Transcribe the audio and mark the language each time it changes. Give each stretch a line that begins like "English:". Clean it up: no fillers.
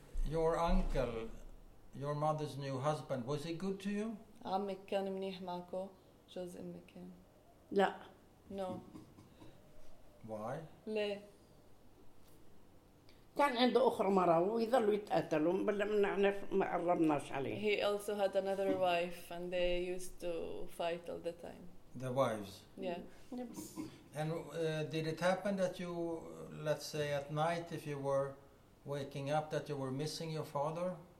English: Your uncle, your mother's new husband, was he good to you?
Arabic: عمك كان منيح معكو جوز امك كان لا
English: no why
Arabic: ليه كان عنده أخرى مرة ويظلوا يتقتلوا بل منعرف ما قربناش عليه
English: he also had another wife and they used to fight all the time the wives yeah and did it happen that you let's say at night if you were waking up that you were missing your father